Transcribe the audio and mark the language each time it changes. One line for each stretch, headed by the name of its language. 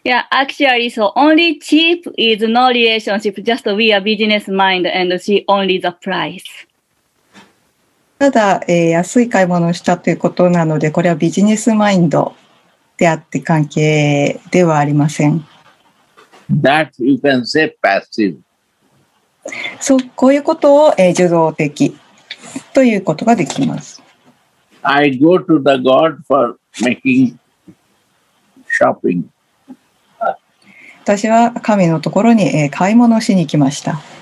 English: Actually, so only cheap is no relationship, just we are business mind and she only the price.
Japanese: ただ、安い買い物をしたということなので、これはビジネスマインドであって関係ではありません。
English: That you can say passive.
Japanese: そう、こういうことを、受動的ということができます。
English: I go to the God for making shopping.
Japanese: 私は神のところに、買い物をしに来ました。